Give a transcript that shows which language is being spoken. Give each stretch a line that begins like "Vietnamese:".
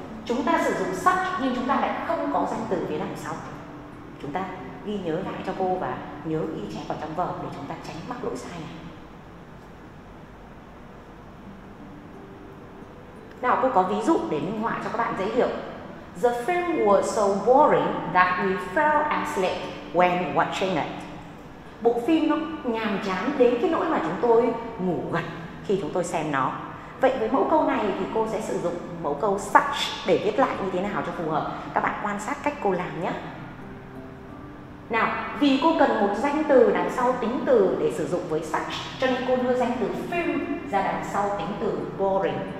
Vietnamese: Chúng ta sử dụng such nhưng chúng ta lại không có danh từ phía đằng sau. Chúng ta ghi nhớ lại cho cô và nhớ ghi chép vào trong vở để chúng ta tránh mắc lỗi sai này. Nào, cô có ví dụ để minh họa cho các bạn dễ hiểu.
English: The film was so boring that we fell asleep when watching it.
Vietnamese: Bộ phim nó nhàm chán đến cái nỗi mà chúng tôi ngủ gật khi chúng tôi xem nó. Vậy với mẫu câu này thì cô sẽ sử dụng mẫu câu such để viết lại như thế nào cho phù hợp. Các bạn quan sát cách cô làm nhé. Nào, vì cô cần một danh từ đằng sau tính từ để sử dụng với such, cho nên cô đưa danh từ film ra đằng sau tính từ boring.